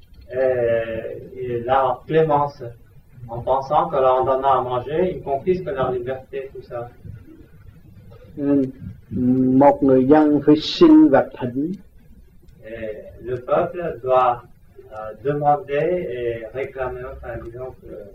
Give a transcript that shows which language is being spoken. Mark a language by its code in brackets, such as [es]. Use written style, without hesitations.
[fr] Et leur clémence, en pensant que leur donnant à manger, ils confisquent leur liberté, tout ça. [vi] Một người dân phải xin và thỉnh. [fr] Et le peuple doit demander et réclamer, enfin, disons que.